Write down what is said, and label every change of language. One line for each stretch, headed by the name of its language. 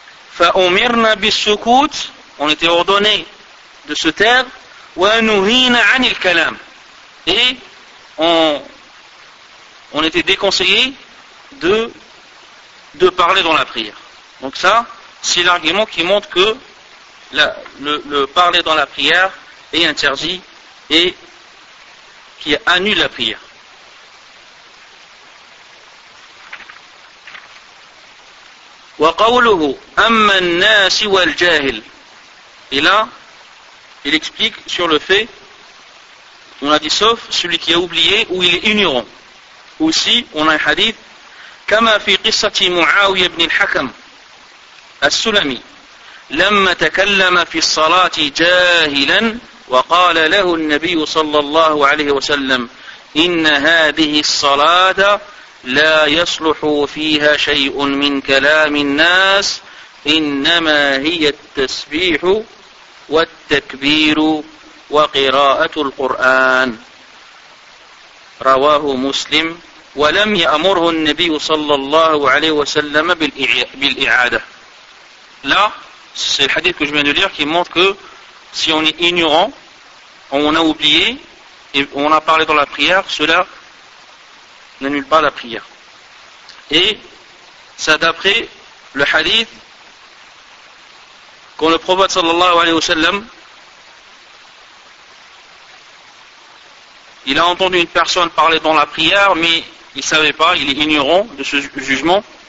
Arabic: Fa'omirna bisukut,
French: on était ordonné de se taire,
Arabic: wa nuhina anil kalam,
French: et on était déconseillé de parler dans la prière. Donc ça, c'est l'argument qui montre que le parler dans la prière est interdit et qui annule la prière.
Arabic: وقوله أما الناس والجاهل.
French: Et là, il explique sur le fait, on a dit sauf celui qui a oublié ou il est ignorant. Aussi, on a un hadith
Arabic: كما في قصة معاوية بن الحكم السلمي لما تكلم في الصلاة جاهلا وقال له النبي صلى الله عليه وسلم إن هذه الصلاة لا يصلح فيها شيء من كلام الناس إنما هي التسبيح والتكبير وقراءة القرآن رواه مسلم ولم يأمره النبي صلى الله عليه وسلم بالإعادة. لا,
French: c'est le hadith que je viens de lire qui montre que si on est ignorant, on a oublié, et on a parlé dans la prière, cela n'annule pas la prière. Et ça d'après le hadith qu'on le prophète sallallahu alayhi wa sallam, il a entendu une personne parler dans la prière, mais il ne savait pas, il est ignorant de ce jugement.